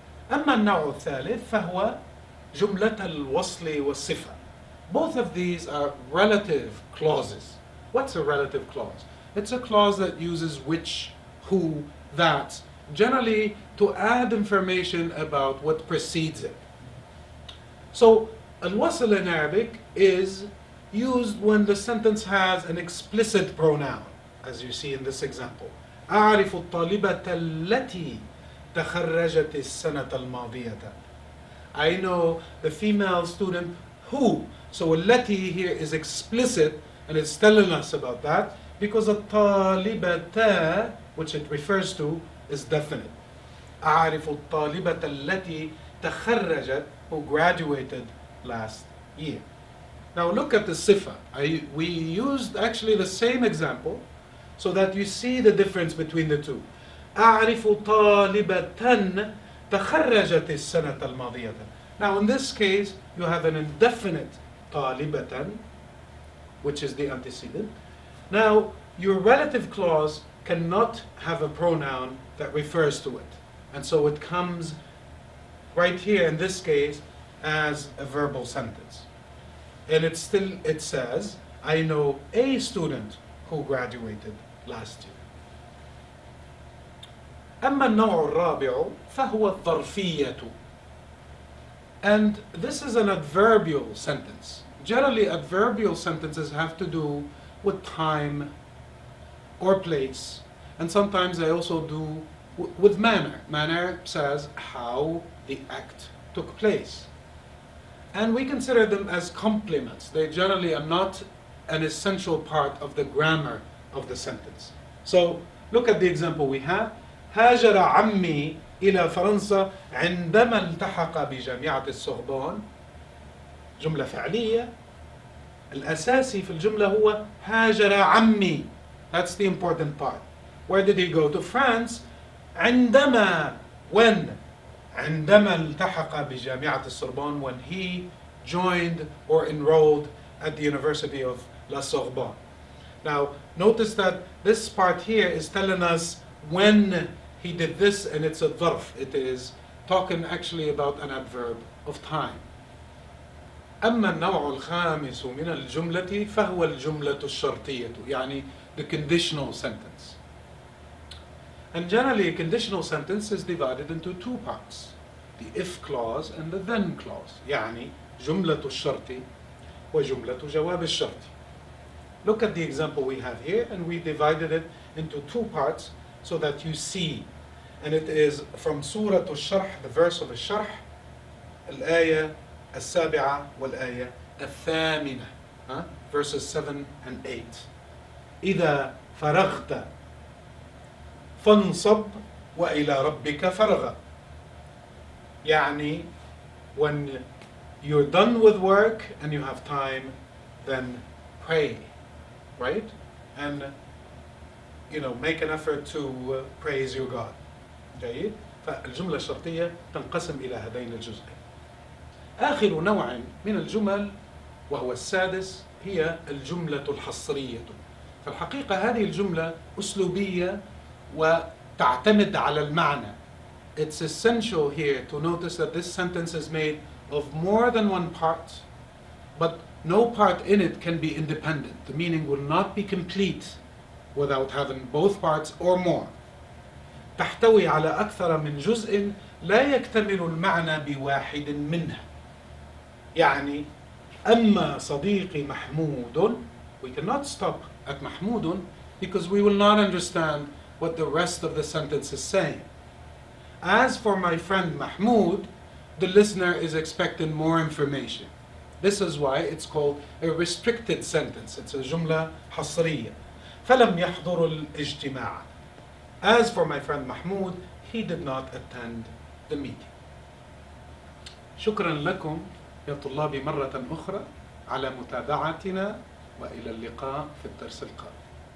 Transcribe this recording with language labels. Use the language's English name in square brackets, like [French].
[Arabic] أما النوع الثالث فهو جملة الوصل والصفة. [English] Both of these are relative clauses. What's a relative clause? It's a clause that uses which, who, that, generally to add information about what precedes it. So, al-wasl in Arabic is used when the sentence has an explicit pronoun, as you see in this example. [Arabic] أعرف الطالبة التي تخرجت السنة الماضية. [English] I know the female student who. So التي here is explicit and it's telling us about that because الطالبة which it refers to is definite. [Arabic] أعرف الطالبة التي تخرجت [English] who graduated last year. Now look at the صفة. We used actually the same example so that you see the difference between the two. [Arabic] أعرف طالبة تخرجت السنة الماضية. [English] Now in this case you have an indefinite طالبة which is the antecedent. Now your relative clause cannot have a pronoun that refers to it. And so it comes right here in this case as a verbal sentence. And it still, it says, I know a student who graduated last year. [Arabic] أما النوع الرابع فهو الظرفية. [English] And this is an adverbial sentence. Generally, adverbial sentences have to do with time or place. And sometimes they also do with manner. Manner says how the act took place. And we consider them as complements. They generally are not an essential part of the grammar of the sentence. So look at the example we have. [Arabic] هاجر عمي إلى فرنسا عندما التحق بجامعة السوربون. جملة فعلية. الأساسي في الجملة هو هاجر عمي. [English] That's the important part. Where did he go to France? [Arabic] عندما. [English] When? [Arabic] عندما التحق بجامعة السوربون. [English] When he joined or enrolled at the University of La Sorbonne. Now, notice that this part here is telling us when he did this, and it's a ظرف. It is talking actually about an adverb of time. [Arabic] أما النوع الخامس من الجملة فهو الجملة الشرطية, يعني [English] the conditional sentence. And generally, a conditional sentence is divided into two parts, the if clause and the then clause. [Arabic] يعني جملة الشرط وجملة جواب الشرط. [English] Look at the example we have here, and we divided it into two parts so that you see. And it is from Surah al-Sharh, the verse of al-Sharh, al-Ayah al-Sabi'ah wal-Ayah al-Thamina, verses 7 and 8. [Arabic] إِذَا فَرَغْتَ فَانْصَبْ وَإِلَى رَبِّكَ فَرَغَ. [English] يعني, when you're done with work and you have time, then pray, right? And, you know, make an effort to praise your God. [Arabic] جيد. فالجملة الشرطية تنقسم إلى هذين الجزئين. آخر نوع من الجمل وهو السادس هي الجملة الحصرية. فالحقيقة هذه الجملة أسلوبية وتعتمد على المعنى. [English] It's essential here to notice that this sentence is made of more than one part, but no part in it can be independent. The meaning will not be complete without having both parts or more. [Arabic] تحتوي على أكثر من جزء لا يكتمل المعنى بواحد منه. يعني أما صديقي محمود, [English] we cannot stop at محمود because we will not understand what the rest of the sentence is saying. As for my friend محمود, the listener is expecting more information. This is why it's called a restricted sentence. It's a جملة حصرية. [Arabic] فلم يحضر الاجتماع. [English] As for my friend Mahmoud, he did not attend the meeting. [Arabic] شكرا لكم يا طلابي مرة أخرى على متابعتنا وإلى اللقاء في الدرس القادم.